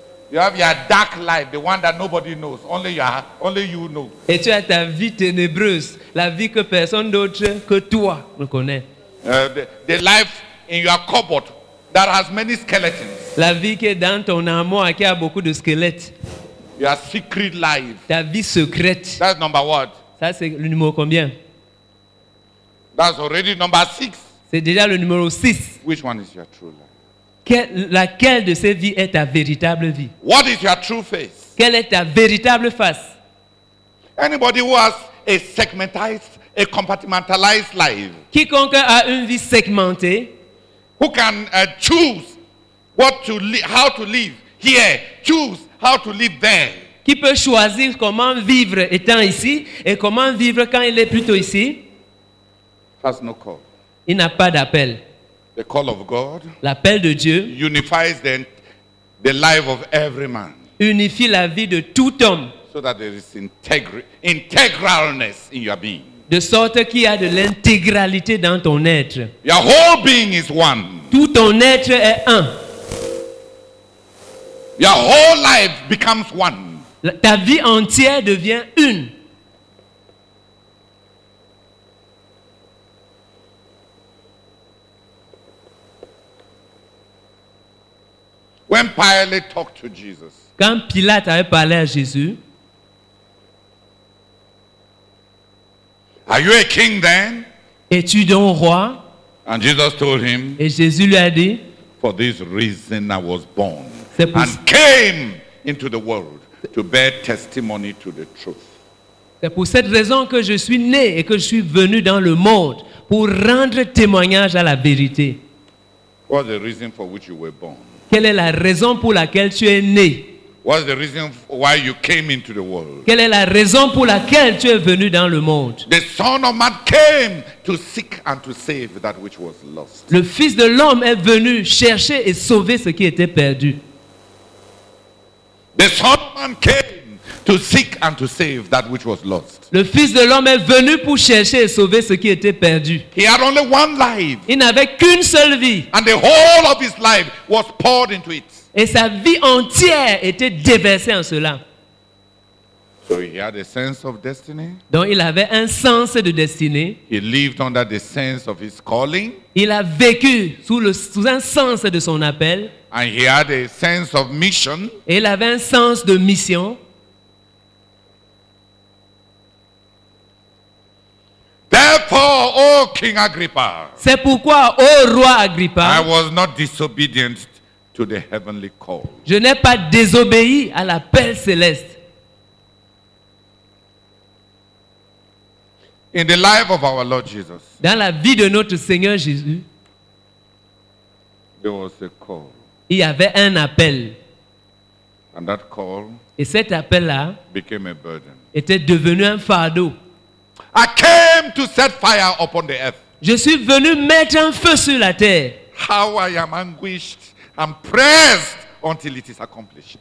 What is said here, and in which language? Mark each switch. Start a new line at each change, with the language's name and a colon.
English: You have your dark life, the one that nobody knows. Only you know.
French: Et tu as ta vie ténébreuse, la vie que personne d'autre que toi ne connaît.
English: The life in your cupboard that has many skeletons.
French: La vie qui est dans ton armoire qui a beaucoup de squelettes.
English: Your secret life.
French: Ta vie secrète.
English: That's number what?
French: Ça c'est le numéro combien?
English: That's already number 6.
French: C'est déjà le numéro 6.
English: Which one is your true life?
French: Laquelle de ces vies est ta véritable vie?
English: What is your true face?
French: Quelle est ta véritable face?
English: Anybody who has a segmentized, a compartmentalized life.
French: Quiconque a une vie segmentée.
English: Who can choose what to how to live here? Choose how to live there.
French: Qui peut choisir comment vivre étant ici et comment vivre quand il est plutôt ici?
English: Has no call.
French: Il n'a pas d'appel.
English: The call of God,
French: l'appel de Dieu,
English: unifies the life of every man,
French: unifie la vie de tout homme,
English: so that there is integralness in your being,
French: de sorte qu'il y a de l'intégralité dans ton être.
English: Your whole being is one.
French: Tout ton être est un.
English: Your whole life becomes one.
French: Ta vie entière devient une.
English: When Pilate talked to Jesus,
French: quand Pilate avait parlé à Jésus,
English: are you a king then?
French: Es-tu donc roi?
English: And Jesus told him,
French: et Jésus lui a dit,
English: for this reason I was born,
French: c'est pour
English: and came into the world to bear testimony to the truth.
French: C'est pour cette raison que je suis né et que je suis venu dans le monde pour rendre témoignage à la vérité.
English: What's the reason for which you were born?
French: Quelle est la raison pour laquelle tu es né?
English: What's the reason why you came into the world?
French: Quelle est la raison pour laquelle tu es venu dans le monde?
English: The Son of Man came to seek and to save that which was lost.
French: Le Fils de l'homme est venu chercher et sauver ce qui était perdu.
English: The Son of Man came to seek and to save that which was lost.
French: Le Fils de l'homme est venu pour chercher et sauver ce qui était perdu.
English: He had only one life.
French: Il n'avait qu'une seule vie.
English: And the whole of his life was poured into it.
French: Et sa vie entière était déversée en cela.
English: So he had a sense of destiny.
French: Donc il avait un sens de destinée.
English: He lived under the sense of his calling.
French: Il a vécu sous un sens de son appel.
English: And he had a sense of mission.
French: Et il avait un sens de mission.
English: Therefore, O King Agrippa,
French: c'est pourquoi, ô roi Agrippa,
English: I was not disobedient to the heavenly call.
French: Je n'ai pas désobéi à l'appel céleste.
English: In the life of our Lord Jesus,
French: dans la vie de notre Seigneur Jésus,
English: There was a call.
French: Il y avait un appel.
English: And that call.
French: Et cet appel-là
English: became a burden.
French: Était devenu un fardeau.
English: I came to set fire upon the earth.
French: Je suis venu mettre un feu sur la terre.
English: How I am anguished and pressed until it is accomplished.